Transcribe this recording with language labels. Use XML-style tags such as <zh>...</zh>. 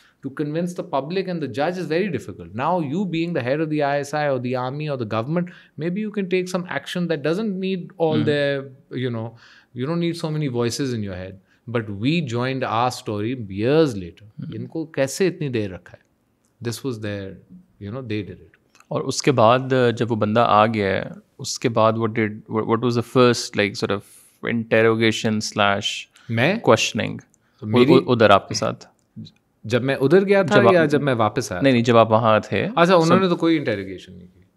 <en>To convince the public and the जज is very difficult now you being the head of the ISI और the army और the government may be you can take some action that doesn't need all the you don't need so many voices in your head But we joined our story years later.</en> <hi>इनको कैसे इतनी देर रखा है?</hi> <en>This was their, you know, they did it.</en> <hi>और उसके बाद जब वो बंदा आ गया, उसके बाद</hi> <en>what was the first like sort of interrogation / questioning?</en> <hi>उधर आपके साथ? जब मैं उधर गया था या जब मैं वापस आया? नहीं नहीं जब आप वहाँ थे. अच्छा उन्होंने तो कोई interrogation नहीं की.</hi>